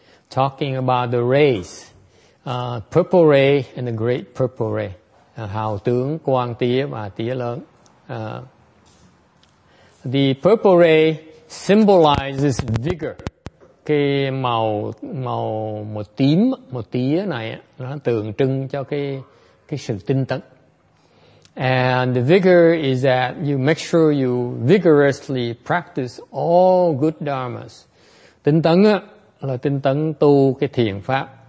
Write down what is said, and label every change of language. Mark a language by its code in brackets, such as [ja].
[en] talking about the rays, purple ray and the great purple ray, [vi] hào tướng quang tía và tía lớn. [en] The purple ray symbolizes vigor. [vi] Cái màu một tím một tía này nó tượng trưng cho cái sự tinh tấn. [en] And the vigor is that you make sure you vigorously practice all good dharmas. [vi] Tinh tấn á, là tinh tấn tu cái thiện pháp.